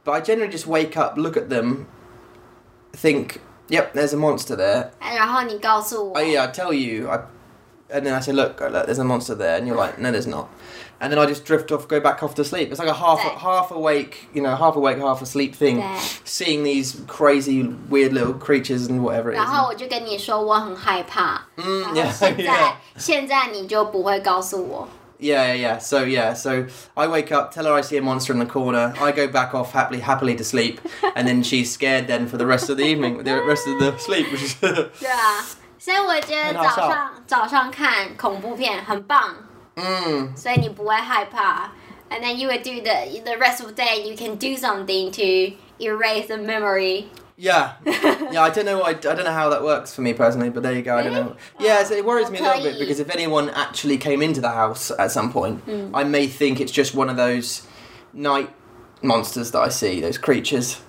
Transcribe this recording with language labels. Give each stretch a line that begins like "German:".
English: But I generally just wake up, look at them, think, "Yep, there's a monster there."
Chinese: 然后你告诉我.
English: And then I say, look, there's a monster there. And you're like, no, there's not. And then I just drift off, go back off to sleep. It's like a half awake, half asleep thing. Seeing these crazy, weird little creatures and whatever it is.
Chinese: 然后我就跟你说我很害怕. 然后现在, 现在你就不会告诉我。
English: Yeah. So, yeah. So, I wake up, tell her I see a monster in the corner. I go back off happily to sleep. And then she's scared then for the rest of the evening, the rest of the sleep. Which is
Chinese: 所以我觉得早上看恐怖片很棒。所以你不会害怕。
English: And then you would do the rest of the day, you can do something to erase the memory. Yeah. Yeah, I don't know. I don't know how that works for me personally, but there you go. Really? I don't know. Yeah, so it worries me a little bit because if anyone actually came into the house at some point, I may think it's just one of those night monsters that I see, those creatures.